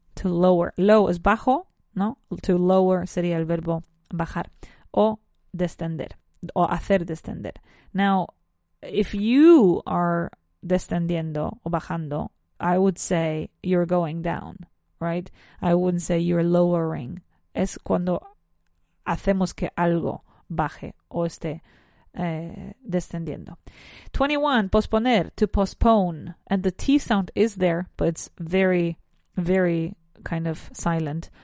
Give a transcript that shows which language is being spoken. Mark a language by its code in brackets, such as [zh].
[es] To lower. Low is bajo, ¿no? To lower sería el verbo bajar. O descender. O hacer descender. [en] Now, if you are [es] descendiendo o bajando, [en] I would say you're going down, right? I wouldn't say you're lowering. [es] Es cuando hacemos que algo baje o esté descendiendo. 21, posponer, to postpone. [en] And the T sound is there, but it's very, very kind of silent.